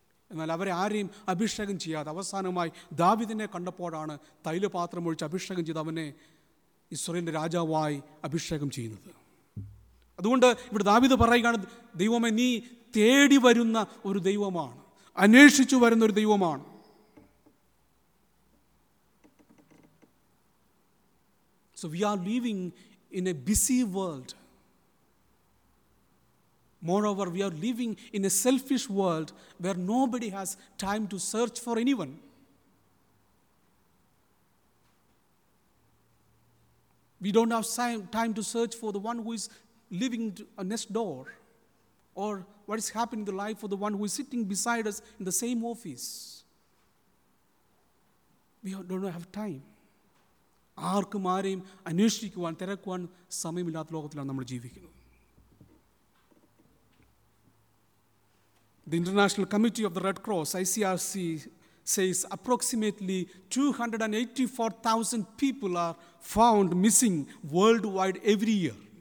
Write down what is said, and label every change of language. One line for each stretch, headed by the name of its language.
Malayalam: എന്നാൽ അവരെ ആരെയും അഭിഷേകം ചെയ്യാതെ അവസാനമായി ദാവീദിനെ കണ്ടപ്പോഴാണ് തൈലപാത്രം ഒഴിച്ച് അഭിഷേകം ചെയ്ത് അവനെ ഇസ്രായേലിൻ്റെ രാജാവായി അഭിഷേകം ചെയ്യുന്നത്. അതുകൊണ്ട് ഇവിടെ ദാവീദ് പറയുകയാണ്, ദൈവമേ, നീ തേടി വരുന്ന ഒരു ദൈവമാണ്, അന്വേഷിച്ചു വരുന്ന ഒരു ദൈവമാണ്.
English: So we are living in a busy world. Moreover, we are living in a selfish world where nobody has time to search for anyone. We don't have time to search for the one who is living next door, or what is happening in the life of the one who is sitting beside us in the same office. We don't have time.
Malayalam: ആർക്കും ആരെയും അന്വേഷിക്കുവാൻ തിരക്കുവാൻ സമയമില്ലാത്ത ലോകത്തിലാണ് നമ്മൾ ജീവിക്കുന്നത്.
English: The International Committee of the Red Cross ICRC says approximately 284,000 people are found missing world wide every year.